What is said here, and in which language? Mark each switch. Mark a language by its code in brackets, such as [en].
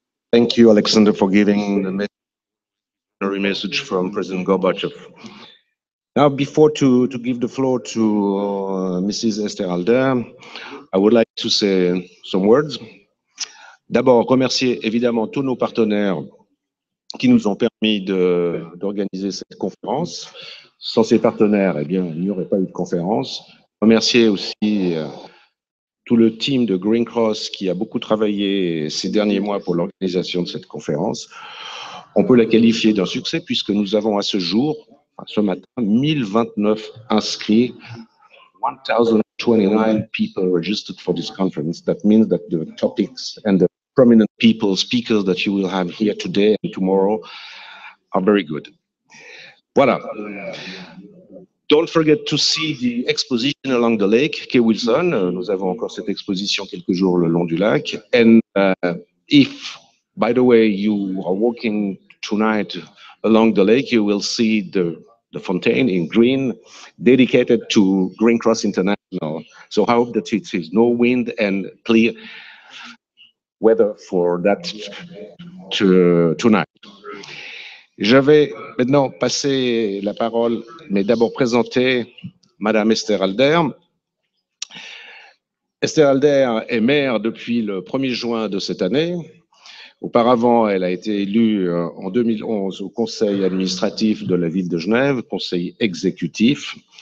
[en] Thank you, Alexander, for giving the message from President Gorbachev. Now, before to give the floor to Mrs. Esther Alder, I would like to say some words. [fr] D'abord, remercier évidemment tous nos partenaires qui nous ont permis d'organiser cette conférence. Sans ces partenaires, eh bien, il n'y aurait pas eu de conférence. Remercier aussi tout le team de Green Cross qui a beaucoup travaillé ces derniers mois pour l'organisation de cette conférence. On peut la qualifier d'un succès puisque nous avons à ce jour, ce matin, 1029 inscrits. [en] 1029 people registered for this conference. That means that the topics and the prominent people, speakers that you will have here today and tomorrow are very good. Voilà. Don't forget to see the exposition along the lake, Kay Wilson. [fr] Nous avons encore cette exposition quelques jours le long du lac. [en] And if, by the way, you are walking tonight along the lake, you will see the fountain in green, dedicated to Green Cross International. So I hope that it is no wind and clear weather for that tonight. [fr] Je vais maintenant passer la parole, mais d'abord présenter Madame Esther Alder. Esther Alder est maire depuis le 1er juin de cette année. Auparavant, elle a été élue en 2011 au conseil administratif de la ville de Genève, conseil exécutif.